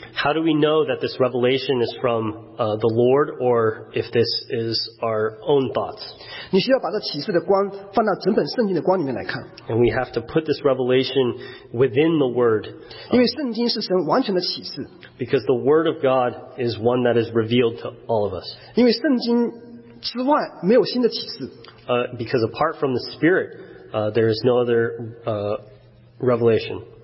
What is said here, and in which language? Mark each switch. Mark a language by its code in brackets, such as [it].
[en] How do we know that this revelation is from the Lord, or if this is our own thoughts? [zh] 你需要把这启示的光放到整本圣经的光里面来看。 [en] And we have to put this revelation within the Word. [zh] 因为圣经是神完全的启示。 [en] Because the Word of God is one that is revealed to all of us. [zh] 因为圣经之外没有新的启示。 [en] Because apart from the Spirit, there is no other revelation.